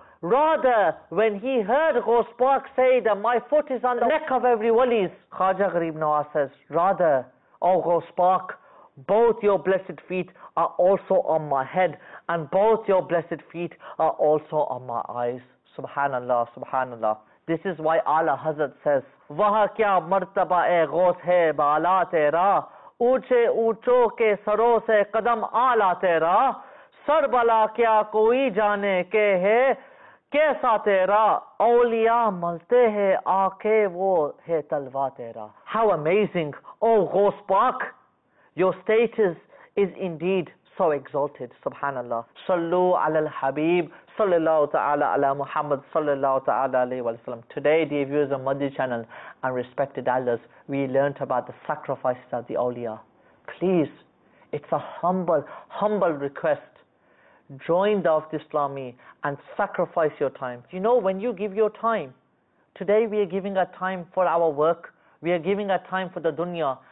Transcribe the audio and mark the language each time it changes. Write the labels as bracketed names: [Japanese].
[English] Rather, when he heard Ghaus Pak say that my foot is on the neck of every wali's, Khaja Ghareeb Nawaz says, rather, O Ghaus Pak, both your blessed feet are also on my head, and both your blessed feet are also on my eyes. Subhanallah, subhanallah. This is why Ala Hazrat says, [Urdu] وہ کیا مرتبہ اے غوث ہے بالا تیرا اونچے اونچوں کے سروں سے قدم آلہ تیرا سر بلا کیا کوئی جانے کے ہے کیسا تیرا اولیاء ملتے ہیں آ کے وہ ہے تلوا تیرا. [English] How amazing, O غوث پاک, your status is indeed so exalted. Subhanallah. [Arabic] صلو علی الحبیب صلی اللہ تعالی علی محمد صلی اللہ تعالی علیہ وسلم. [English] Today, dear viewers of Madhya Channel and respected elders, we learnt about the sacrifices of the awliya. Please, it's a humble request. Join Dawat Islami and sacrifice your time. You know, when you give your time, today we are giving our time for our work, we are giving our time for the dunya.